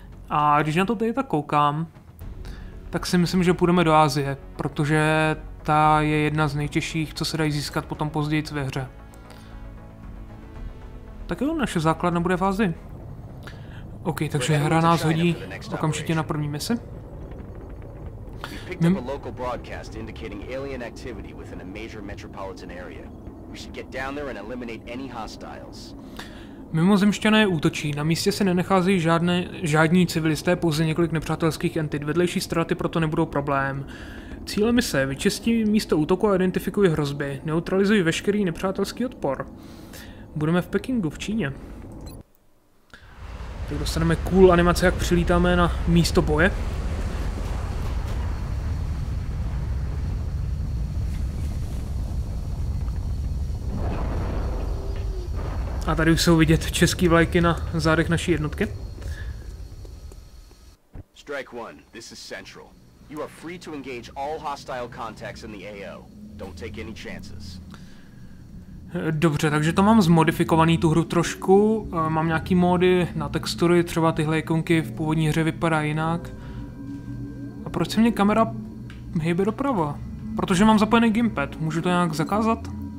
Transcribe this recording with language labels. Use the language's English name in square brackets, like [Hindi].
[Czech] A když na to tady tak koukám, tak si myslím, že půjdeme do Asie, protože ta je jedna z nejtěžších, co se dají získat potom později ve hře. Tak jo, naše základna bude v Asii. OK, takže hra nás hodí okamžitě na první misi. [English] Picked up a local broadcast indicating alien activity within a major metropolitan area. We should get down there and eliminate any hostiles. [Czech] Mimozemšťané útočí. Na místě se nenacházejí žádní civilisté, pouze několik nepřátelských entit. Vedlejší ztráty proto nebudou problém. Cílem mise. Vyčistí místo útoku a identifikují hrozby. Neutralizují veškerý nepřátelský odpor. Budeme v Pekingu, v Číně. Tak dostaneme cool animace, jak přilítáme na místo boje. A tady už jsou vidět český vlajky na zádech naší jednotky. [English] Strike 1, this is Central. You are free to engage all hostile contacts in the AO. Don't take any chances. [Czech] Dobře, takže to mám zmodifikovaný tu hru trošku. Mám nějaký módy na textury, třeba tyhle ikonky v původní hře vypadá jinak. A proč se mě kamera hýbe doprava? Protože mám zapojený gamepad, můžu to nějak zakázat?